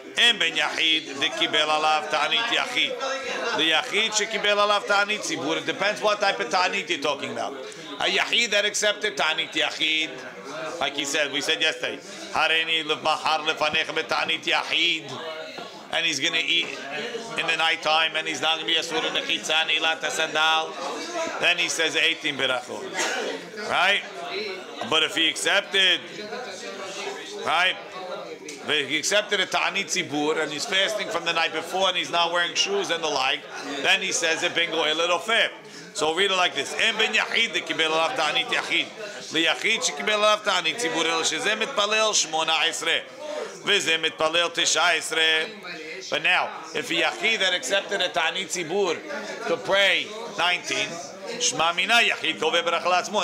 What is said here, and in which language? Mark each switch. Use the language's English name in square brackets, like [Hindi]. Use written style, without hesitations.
[Hebrew] אין בן יחיד דקיבל עליו תענית יחיד. ליחיד שקיבל עליו תענית ציבור. [English] It depends what type of תענית you're talking about. היחיד that accepted תענית יחיד, like he said, we said yesterday, [Hebrew] הריני מחר לפניך בתענית יחיד, [English] and he's going to eat in the night time, and he's not going to be אסור מחיצה, נעילת הסנדל, then he says 18 ברכות, right? But if he accepted, right? He accepted a תענית ציבור, and he's fasting from the night before, and he's not wearing shoes and the like, then he says a bingo, a little fib. So read it like this. [Hebrew] אין בן יחיד לקיבל עליו תענית יחיד. ליחיד שקיבל עליו תענית ציבור, אלא שזה מתפלל 18. וזה מתפלל 19. [English] But now, if a יחיד that accepted a תענית ציבור to pray 19, [Hebrew] שמע מינה יחיד קובע ברכה לעצמו.